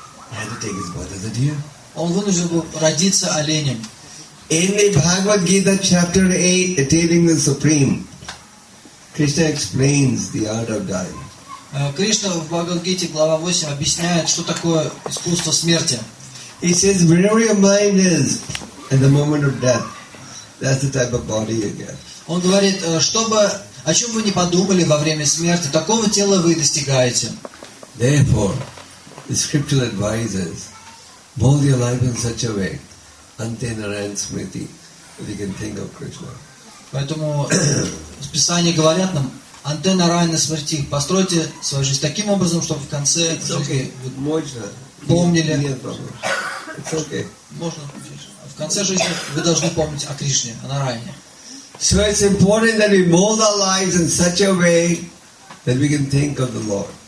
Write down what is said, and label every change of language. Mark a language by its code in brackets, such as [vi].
[en] He had to take his birth as a deer. [ru] Он вынужден был родиться оленем. [en] In the Bhagavad Gita, chapter 8, attaining the supreme, Krishna explains the art of dying. [ru] Кришна в Бхагавад Гите, глава 8, объясняет, что такое искусство смерти. [en] He says, wherever your mind is at the moment of death, that's the type of body you get. [ru] Он говорит, чтобы о чем вы не подумали во время смерти, такого тела вы достигаете. [en] Therefore. The scriptural advises, mold your life in such a way, [sa] ante narayan smriti, [en] that you can think of Krishna. [ru] Поэтому Писание говорят нам, [sa] ante narayan smriti, [ru] постройте свою жизнь таким образом, чтобы в конце жизни помнили. Нет проблем. [en] It's okay. [ru] Можно. В конце жизни вы должны помнить о Кришне, о нарайане. [en] So it's important that we mold our lives in such a way that we can think of the Lord.